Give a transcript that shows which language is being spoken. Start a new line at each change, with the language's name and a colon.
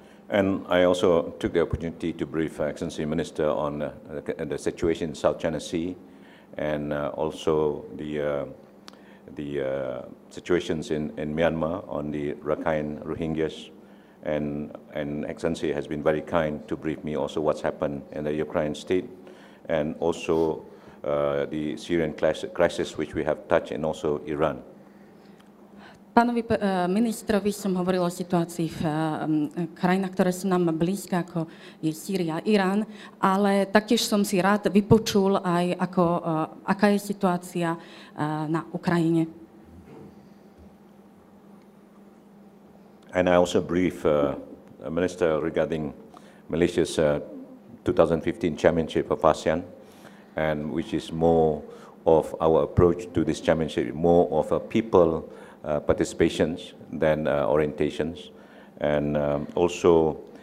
English: And I also took the opportunity to brief Excellency Minister on the situation in South China Sea and also the situations in Myanmar on the Rakhine Rohingyas. And Excellency has been very kind to brief me also what's happened in the Ukraine state and also the Syrian crisis which we have touched and also Iran.
Slovak: Pánovi ministrovi som hovoril o situácii v krajinách, ktoré sú nám blízke, ako je Sýria, Irán, ale taktiež som si rád vypočul aj aká je situácia na Ukrajine.
English: And I also brief a minister regarding Malaysia's 2015 championship of ASEAN, and which is more of our approach to this championship, more of a people participations than orientations, and also